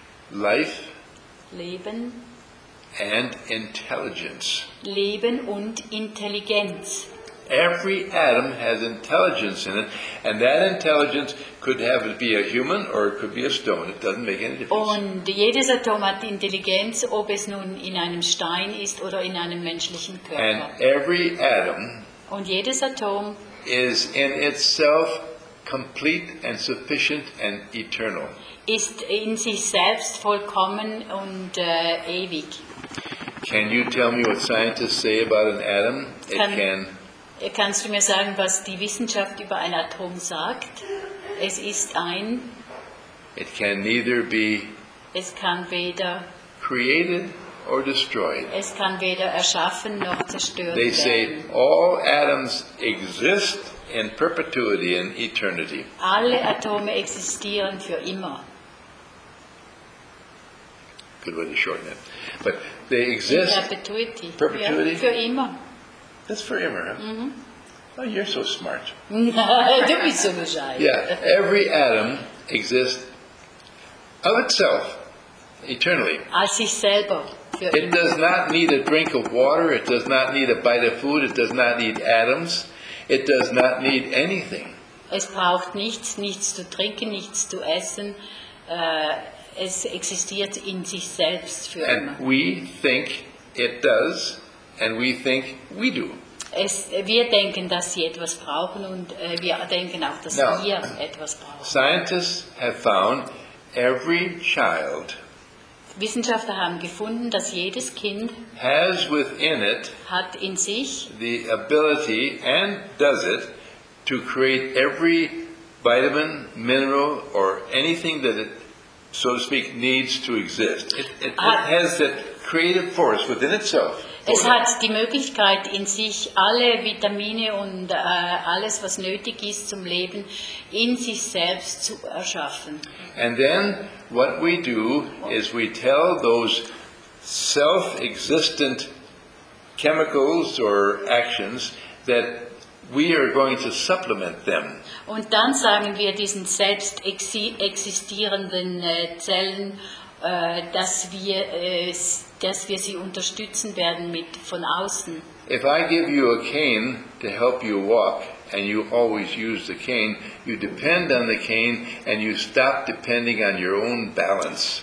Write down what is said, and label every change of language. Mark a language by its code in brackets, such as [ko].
[en] life, [de] Leben, [en] and intelligence. [de] Leben und Intelligenz. [en] Every atom has intelligence in it, and that intelligence could have it be a human or it could be a stone. It doesn't make any difference. [de] Und jedes Atom hat Intelligenz, ob es nun in einem Stein ist oder in einem menschlichen Körper. [en] And every atom [de] und jedes Atom [en] is in itself complete and sufficient and eternal. [de] Ist in sich selbst vollkommen und ewig. [en] Can you tell me what scientists say about an atom? [de] Kannst du mir sagen, was die Wissenschaft über ein Atom sagt? Es ist ein. [en] It can neither be. [de] Es kann weder. [en] Created or destroyed. [de] Es kann weder erschaffen noch zerstört werden. [en] They say all atoms exist in perpetuity and eternity. [de] Alle Atome existieren für immer. [en] Good way to shorten it. But they exist in perpetuity. Perpetuity? [de] Ja, für immer. [en] That's forever, huh? Mm-hmm. Oh, you're so smart. [de] Du bist so bescheid. [en] Yeah, every atom exists of itself, eternally. [de] Als sich selber. [en] It does not need a drink of water, it does not need a bite of food, it does not need atoms, it does not need anything. [de] Es braucht nichts, nichts zu trinken, nichts zu essen, es existiert in sich selbst für [en] and [de] immer. [en] We think it does, and we think we do. [de] Wir denken, dass sie etwas brauchen, und wir denken auch, dass [en] now, [de] wir etwas brauchen. [en] Scientists have found every child. [de] Wissenschaftler haben gefunden, dass jedes Kind [en] has within it [de] hat in sich [en] the ability and does it to create every vitamin, mineral, or anything that it so to speak, needs to exist. It has that creative force within itself. [de] Es hat die Möglichkeit in sich alle Vitamine und alles, was nötig ist zum Leben, in sich selbst zu erschaffen. [en] And then what we do is we tell those self-existent chemicals or actions that we are going to supplement them. [de] Und dann sagen wir diesen selbst existierenden Zellen, dass wir sie unterstützen werden mit von außen. [en] If I give you a cane to help you walk and you always use the cane, you depend on the cane and you stop depending on your own balance.